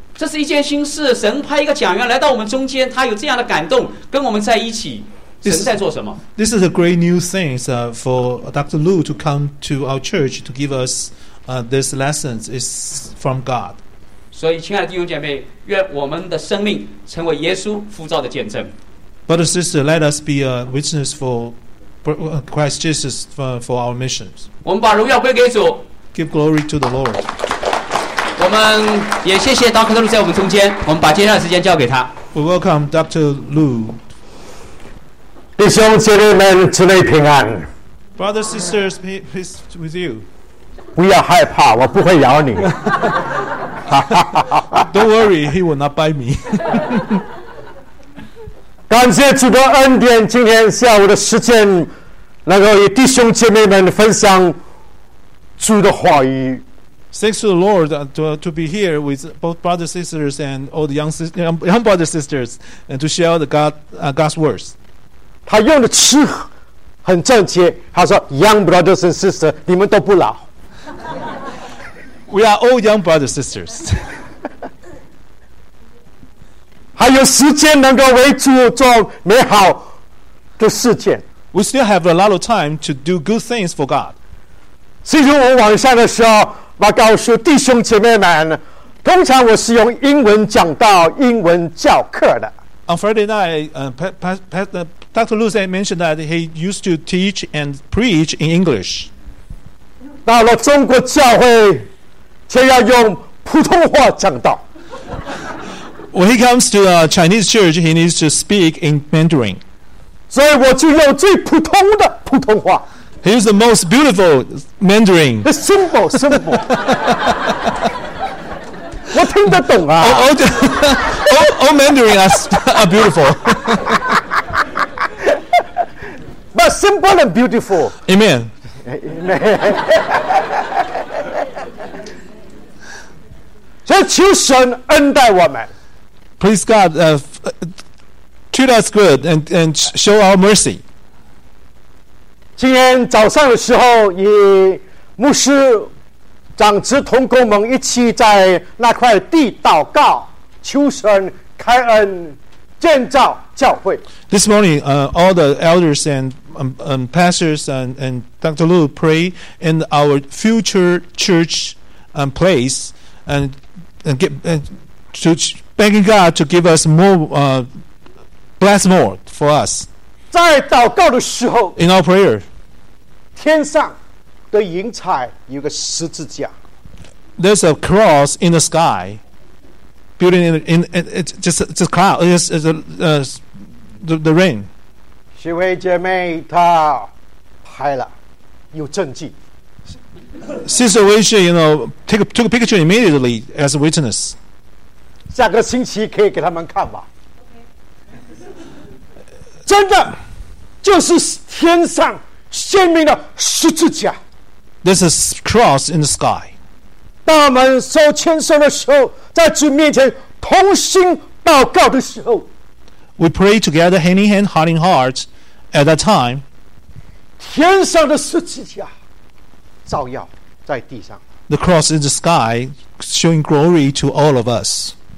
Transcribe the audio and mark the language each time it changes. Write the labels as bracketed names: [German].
[Chinese] 这是一件新事，神派一个讲员来到我们中间，他有这样的感动跟我们在一起，神在做什么？ [English] This is a great new thing for Dr. Lu to come to our church to give us this lesson is from God. [Chinese] 所以亲爱的弟兄姐妹，愿我们的生命成为耶稣呼召的见证。 [English] Brother sister, let us be a witness for Christ Jesus for our missions. [Chinese] 我们把荣耀归给主。 [English] Give glory to the Lord. [Chinese] 我们也谢谢 Dr. Lu 在我们中间，我们把接下来的时间交给他。 [English] We welcome Dr. Lu. [Chinese] 弟兄姐妹们，主内平安。 [English] Brother sisters, peace with you. [Chinese] 不要害怕，我不会咬你。 [English] Don't worry, he will not bite me. [Chinese] 感谢主的恩典，今天下午的时间能够与弟兄姐妹们分享主的话语。 [English] Thanks to the Lord to be here with both brothers and sisters and all the young brothers and sisters and to share the God's words. [Chinese] 他用的词很正确，他说 [English] young brothers and sisters, [Chinese] 你们都不老。 [English] We are all young brothers and sisters. [Chinese] 还有时间能够为主做美好的事情。 [English] We still have a lot of time to do good things for God. [Chinese] 其实我晚上的时候，我告诉弟兄姐妹们，通常我是用英文讲道、英文教课的。 [English] On Friday night, Dr. Lu mentioned that he used to teach and preach in English. [Chinese] 到了中国教会，却要用普通话讲道。 [English] When he comes to a Chinese church, he needs to speak in Mandarin. [Chinese] 所以我就用最普通的普通话。 [English] He is the most beautiful Mandarin. The simple, simple. [Chinese] 我听得懂啊。 [English] All Mandarin are beautiful. But simple and beautiful. Amen. [Chinese] 所以求神恩待我们。 [English] Please God, treat us good and show our mercy. [Chinese] 今天早上的时候，与牧师、长执同工们一起在那块地祷告，求神开恩建造教会。 [English] This morning, all the elders andpastors and Dr. Lu pray in our future church place to begging God to give us more bless more for us. [Chinese] 在祷告的时候 [English] in our prayer, [Chinese] 天上的云彩有个十字架 [English] there's a cross in the sky, building in it's just a cloud, the rain. [Chinese] 几位姐妹，她拍了，有证据。 [English] Sister Wei-Shi, you know, took a picture immediately as a witness. [Chinese] 下个星期可以给他们看吧。真的，就是天上鲜明的十字架。 [English] This is cross in the sky. [Chinese] 当我们手牵手的时候，在主面前同心祷告的时候 [English] ，We pray together, hand in hand, heart in heart. At that time, [Chinese] 天上的十字架照耀在地上。 [English] The cross in the sky showing glory to all of us.